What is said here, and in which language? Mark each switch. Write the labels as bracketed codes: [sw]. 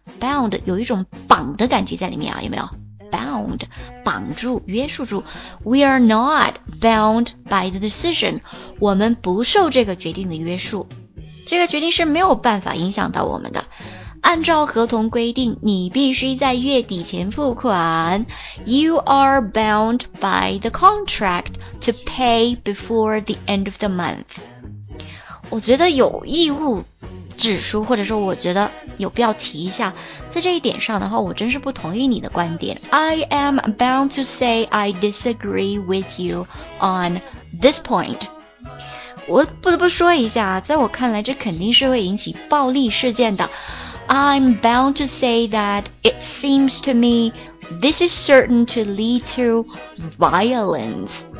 [zh] bound 有一种绑的感觉在里面啊，有没有？bound 绑住约束住。 [en] We are not bound by the decision， [zh] 我们不受这个决定的约束。这个决定是没有办法影响到我们的。按照合同规定，你必须在月底前付款。 [en] You are bound by the contract to pay before the end of the month. [zh] 我觉得有义务指出，或者说我觉得有必要提一下，在这一点上的话，我真是不同意你的观点。 [en] I am bound to say I disagree with you on this point. [zh] 我不得不说一下，在我看来这肯定是会引起暴力事件的。 [en] I'm bound to say that it seems to me this is certain to lead to violence.